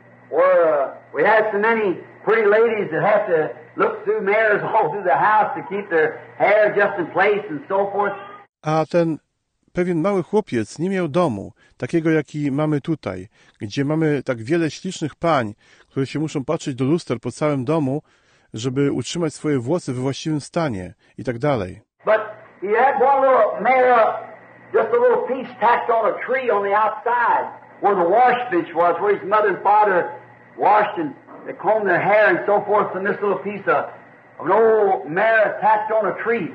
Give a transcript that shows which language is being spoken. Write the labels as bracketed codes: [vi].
[en] Well, we have so many pretty ladies that have to look through mirrors all through the house to keep their hair just in place and so forth. [pl] A ten pewien mały chłopiec nie miał domu, takiego jaki mamy tutaj, gdzie mamy tak wiele ślicznych pań, które się muszą patrzeć do luster po całym domu, żeby utrzymać swoje włosy we właściwym stanie i tak dalej. [en] But he had one little mirror, just a little piece tacked on a tree on the outside where the wash bench was, where his mother and father washed and they combed their hair and so forth, and this little piece of an old mirror tacked on a tree.